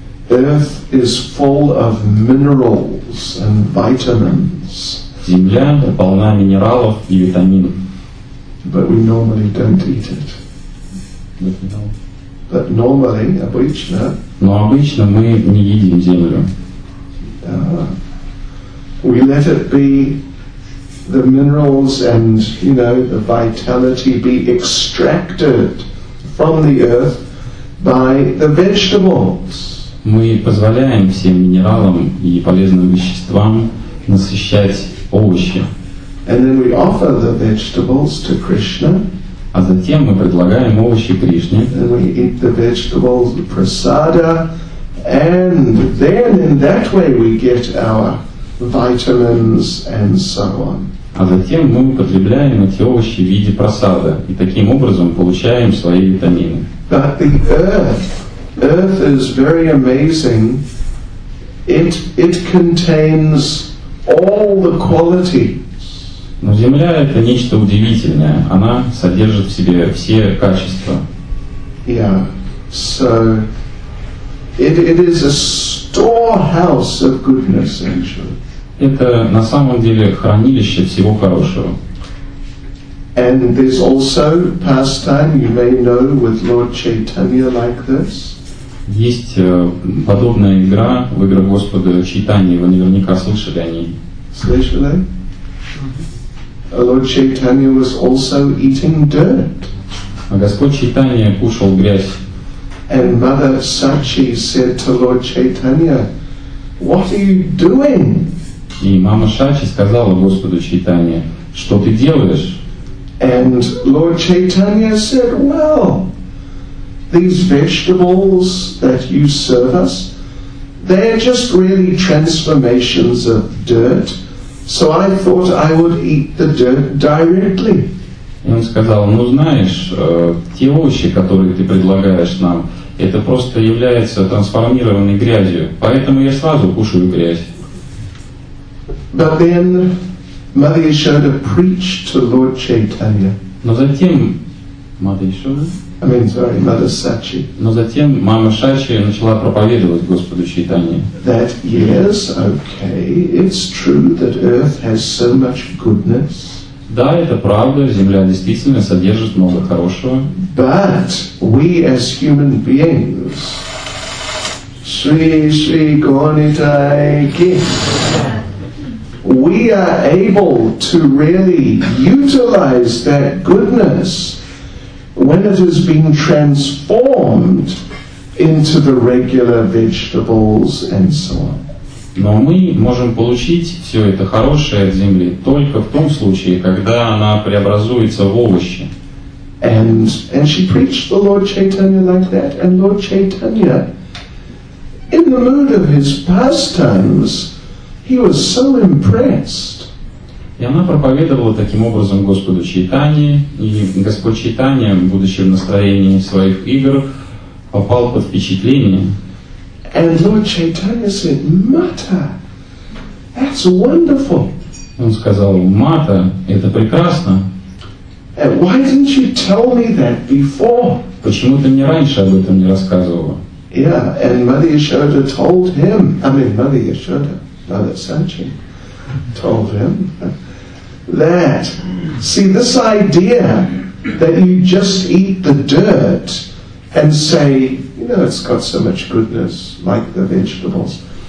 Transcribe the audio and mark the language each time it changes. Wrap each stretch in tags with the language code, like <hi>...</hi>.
<en>Earth is full of minerals and vitamins.</en> <ru>Земля полна минералов и витаминов.</ru> <en>But we normally don't eat it. But normally,</en> <ru>обычно. Но обычно мы не едим землю.</ru> <en>We let it be the minerals and, you know, the vitality be extracted from the earth by the vegetables.</en> <ru>Мы позволяем всем минералам и полезным веществам насыщать овощи.</ru> <en>And then we offer the vegetables to Krishna.</en> <ru>А затем мы предлагаем овощи Кришне.</ru> <en>And we eat the vegetables, the prasada, and then in that way we get our vitamins and so on.</en> <ru>А затем мы употребляем эти овощи в виде прасада и таким образом получаем свои витамины.</ru> <en>But the earth is very amazing. It contains all the qualities.</en> <ru>Но земля — это нечто удивительное. Она содержит в себе все качества.</ru> <en>Yeah. So, it is a storehouse of goodness, actually.</en> <ru>Это на самом деле хранилище всего хорошего.</ru> <en>And there's also pastime, you may know, with Lord Chaitanya like this.</en> <ru>Есть подобная игра в игру Господа Чайтаньи. Вы наверняка слышали о ней. Слышали?</ru> <en>Lord Chaitanya was also eating dirt.</en> <ru>А Господь Чайтанья кушал грязь.</ru> <en>And Mother Sachi said to Lord Chaitanya, "What are you doing?"</en> <ru>И мама Сачи сказала Господу Чайтанье, что ты делаешь?</ru> <en>And Lord Chaitanya said, "Well, these vegetables that you serve us, they're just really transformations of dirt." So I thought I would eat the dirt directly.</en> <ru>И он сказал, ну знаешь, те овощи, которые ты предлагаешь нам, это просто является трансформированной грязью. Поэтому я сразу кушаю грязь.</ru> <en>But then Mother Yashoda preached to Lord Chaitanya.</en> <ru>Но затем Mother Yashoda.</ru> <en>I mean, sorry, Mother Sachi.</en> <ru>Но затем мама Сачи начала проповедовать Господу Чайтанье.</ru> <en>That yes, okay, it's true that earth has so much goodness.</en> <ru>Да, это правда, земля действительно содержит много хорошего.</ru> <en>But we as human beings, Sri Sri Gaunitai Ki, we are able to really utilize that goodness when it has been transformed into the regular vegetables and so on.</en> <ru>Но мы можем получить все это хорошее от земли только в том случае, когда она преобразуется в овощи.</ru> <en>And she preached to Lord Chaitanya like that, and Lord Chaitanya, in the mood of his pastimes, he was so impressed.</en> <ru>И она проповедовала таким образом Господу Чайтанье, и Господь Чайтанья, будучи в настроении своих игр, попал под впечатление.</ru> <en>And Lord Chaitanya said, Mata, that's wonderful.</en> <ru>Он сказал, Мата, это прекрасно.</ru> <en>And why didn't you tell me that before?</en> <ru>Почему ты мне раньше об этом не рассказывала?</ru> <en>Yeah, and Mother Yashoda told him, Mother Yashoda, Mother Sanchi, told him that, see, this idea that you just eat the dirt and say, you know, it's got so much goodness, like the vegetables.</en>